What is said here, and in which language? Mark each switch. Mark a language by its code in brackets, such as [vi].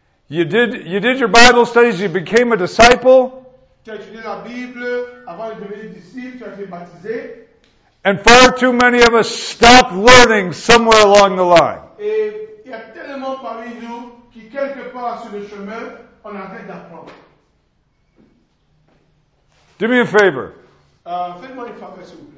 [en] You did your Bible studies, you became a disciple. [fr] Tu as étudié la Bible avant de devenir disciple, tu as été baptisé. [en] And far too many of us stop learning somewhere along the line. [fr] Et il y a tellement parmi nous qui quelque part sur le chemin, on arrête d'apprendre. [en] Do me a favor. [fr] Fais-moi une faveur, s'il vous plaît.